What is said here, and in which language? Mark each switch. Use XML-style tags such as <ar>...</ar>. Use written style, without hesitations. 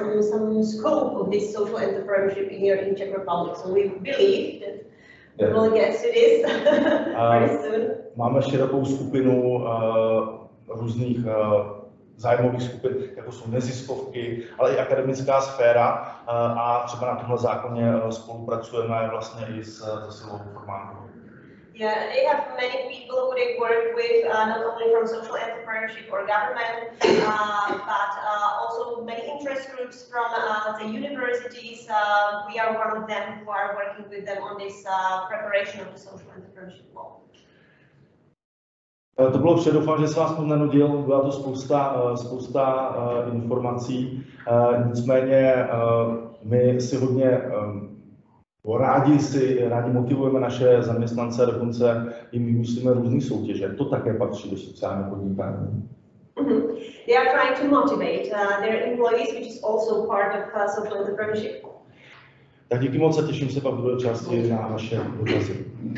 <en>Some scope of this social entrepreneurship here in Czech Republic. So we believe that we will get to this very soon.</en> <cs>Máme širokou skupinu různých zájmových skupin, jako jsou neziskovky, ale i akademická sféra. A třeba na tomhle zákoně spolupracujeme vlastně i se Sylvou Formánkovou.</cs> <en>Yeah, they have many people who they work with, not only from social entrepreneurship or government, but also many interest groups from the universities. We are one of them who are working with them on this preparation of the social entrepreneurship law.</en> <cs>To bylo vše, doufám, že se vás moc nenudil, byla to spousta informací, nicméně my si hodně rádi motivujeme naše zaměstnance, dokonce jim vymýšlíme různé soutěže. To také patří do sociální podnikání.</cs> <en>They are trying to motivate their employees, which is also part of social entrepreneurship.</en> <cs>Tak díky moc a těším se pak do části na vaše dotazy.</cs>